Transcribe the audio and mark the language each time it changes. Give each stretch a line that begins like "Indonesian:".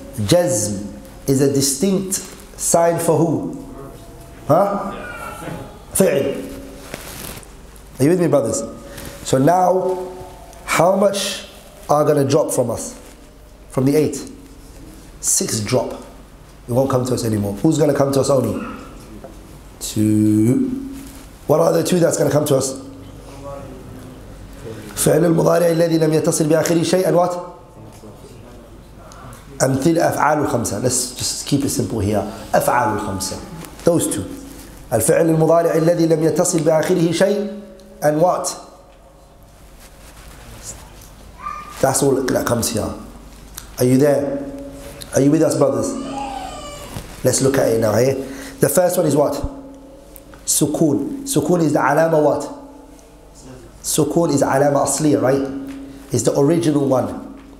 English: Jazm is a distinct sign for who? Huh? Fi'l. Are you with me, brothers? So now, how much are going to drop from us? From the eight? Six drop. It won't come to us anymore. Who's going to come to us only? Two. What are the two that's going to come to us?
Arabic: فعل المضارع الذي لم يتصل بآخره شيء.
English: And what?
Arabic: أمثل أفعال الخمسة.
English: Let's just keep it simple here.
Arabic: أفعال الخمسة.
English: Those two.
Arabic: الفعل المضارع الذي لم يتصل بآخره شيء.
English: And what? That's all that comes here. Are you there? Are you with us, brothers? Let's look at it now, eh? The first one is what? Sukun. Sukun is the alama what? Sukun is alama asli, right? It's the original one.